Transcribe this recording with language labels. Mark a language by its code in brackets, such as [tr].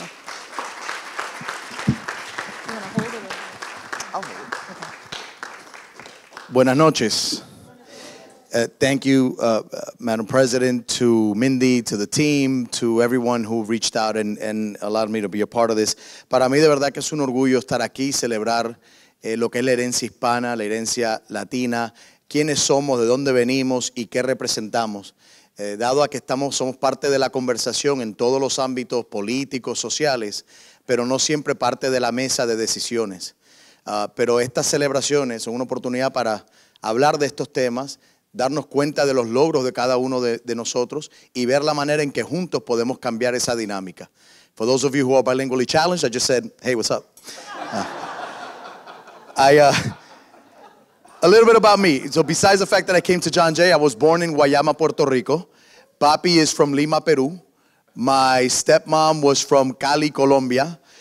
[en] You wanna hold it? I'll hold it. Okay. [es] Buenas noches. [en] Thank you, Madam President, to Mindy, to the team, to everyone who reached out and allowed me to be a part of this. [es] Para mí de verdad que es un orgullo estar aquí, celebrar lo que es la herencia hispana, la herencia latina, quiénes somos, de dónde venimos y qué representamos. Dado a que somos parte de la conversación en todos los ámbitos políticos, sociales, pero no siempre parte de la mesa de decisiones. Pero estas celebraciones son una oportunidad para hablar de estos temas, darnos cuenta de los logros de cada uno de nosotros y ver la manera en que juntos podemos cambiar esa dinámica. [en] For those of you who are bilingually challenged, I just said, hey, what's up? A little bit about me. So besides the fact that I came to John Jay, I was born in Guayama, Puerto Rico. Papi is from Lima, Peru. My stepmom was from Cali, Colombia.